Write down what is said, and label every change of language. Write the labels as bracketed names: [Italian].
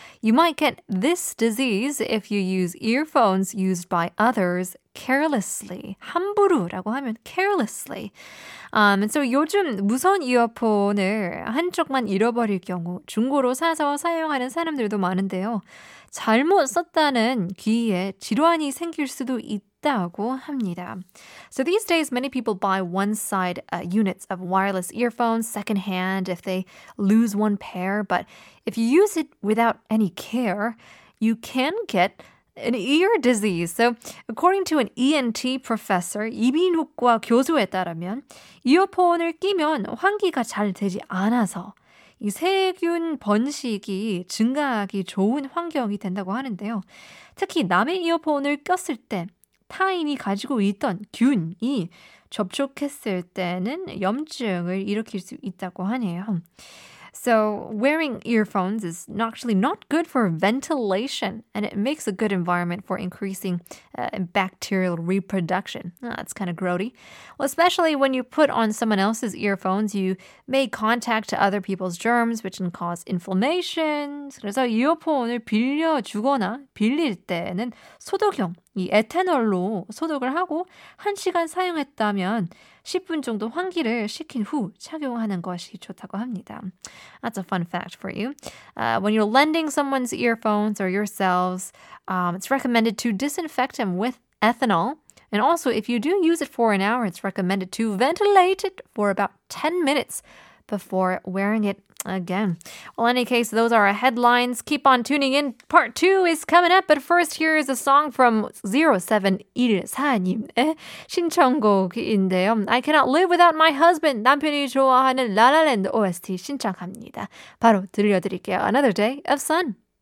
[English] You might get this disease if you use earphones used by others carelessly. [Korean] 함부로라고 하면 carelessly. So 요즘 무선 이어폰을 한쪽만 잃어버릴 경우 중고로 사서 사용하는 사람들도 많은데요. 잘못 썼다는 귀에 질환이 생길 수도 있다고 합니다. [English] So these days, many people buy one-side units of wireless earphones secondhand if they lose one pair. But if you use it without any care, you can get an ear disease. So according to an ENT professor, [Korean] 이비인후과 교수에 따르면 이어폰을 끼면 환기가 잘 되지 않아서 이 세균 번식이 증가하기 좋은 환경이 된다고 하는데요. 특히 남의 이어폰을 꼈을 때 타인이 가지고 있던 균이 접촉했을 때는 염증을 일으킬 수 있다고 하네요. [English] So wearing earphones is actually not good for ventilation, and it makes a good environment for increasing bacterial reproduction. Oh, that's kind of grody. Well, especially when you put on someone else's earphones, you may contact other people's germs, which can cause inflammation. [Korean] 그래서 이어폰을 빌려주거나 빌릴 때는 소독용, 이 에탄올로 소독을 하고 1시간 사용했다면 10분 정도 환기를 시킨 후 착용하는 것이 좋다고 합니다. [English] That's a fun fact for you. When you're lending someone's earphones or yourselves, it's recommended to disinfect them with ethanol. And also, if you do use it for an hour, it's recommended to ventilate it for about 10 minutes before wearing it again. Well, in any case, those are our headlines. Keep on tuning in. Part 2 is coming up. But first, here is a song from [Korean] 0714님의 신청곡인데요. [English] I cannot live without my husband. [Korean] 남편이 좋아하는 라라랜드 OST 신청합니다. 바로 들려드릴게요. Another Day of Sun.